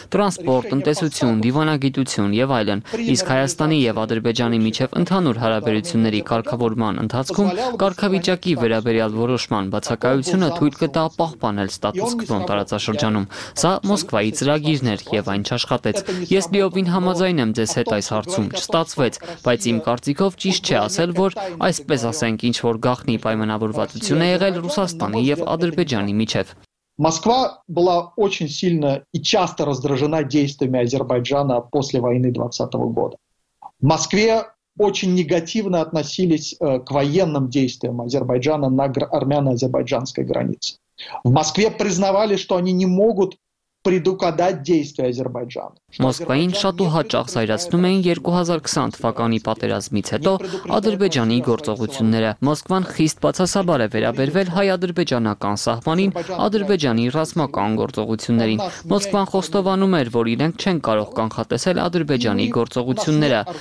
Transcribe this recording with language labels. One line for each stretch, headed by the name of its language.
Armenian: տրանսպորտ, տնտեսություն, դիվանագիտություն եւ այլն։ Իսկ Հայաստանի եւ Ադրբեջանի միջև ընդհանուր հարաբերությունների կարգավորման ընթացքում կարգավիճակի վերաբերյալ որոշման բացակայությունը թույլ կտա պահպանել ստատուս-կվոն տարածաշրջանում։ Սա Մոսկվայի ծրագիրն էր եւ այն չաշխատեց։ Ես լիովին համաձայն եմ ձեզ հետ այս հարցում, չստացվեց, բայց իմ կարծիքով ճիշտ չէ ասել, որ այսպես ասենք, ինչ որ գախնի պայմանավորվածություն է եղել Ռուսաստանի եւ Ադրբեջանի միջեւ։
Russian: Москва была очень сильно и часто раздражена действиями Азербайджана после войны 20 года. Москва очень негативно относились к военным действиям Азербайджана на армяно-азербайджанской границе. В Москве признавали, что они не могут предугадать действия Азербайджана.
Armenian: Մոսկվային շատ ու հաճախ զայրացնում էին 2020 թվականի պատերազմից հետո Ադրբեջանի գործողությունները։ Մոսկվան խիստ բացասաբար է վերաբերվել հայ-ադրբեջանական սահմանին, Ադրբեջանի ռազմական գործողություններին։ Մոսկվան խոստովանում էր, որ իրենք չեն կարող կանխատեսել Ադրբեջանի գործողությունները,